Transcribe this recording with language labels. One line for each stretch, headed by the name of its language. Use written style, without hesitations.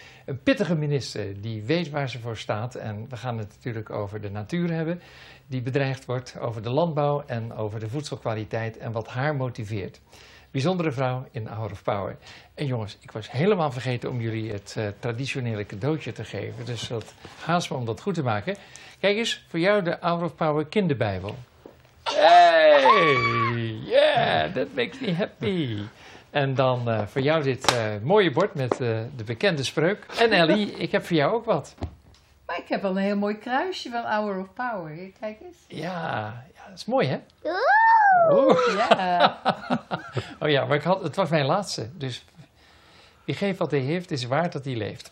Dutch: Een pittige minister die weet waar ze voor staat. En we gaan het natuurlijk over de natuur hebben die bedreigd wordt, over de landbouw en over de voedselkwaliteit en wat haar motiveert. Bijzondere vrouw in Hour of Power. En jongens, ik was helemaal vergeten om jullie het traditionele cadeautje te geven. Dus dat haast me om dat goed te maken. Kijk eens, voor jou de Hour of Power kinderbijbel.
English: Hey! Yeah, that makes me happy.
Dutch: En dan voor jou dit mooie bord met de bekende spreuk. En Ellie, ik heb voor jou ook wat. Maar ik heb al een heel mooi kruisje van Hour of Power. Kijk eens. Ja, ja, dat is mooi, hè?
English: Yeah.
Dutch: Oh ja, maar het was mijn laatste. Dus wie geeft wat hij heeft, is waard dat hij leeft.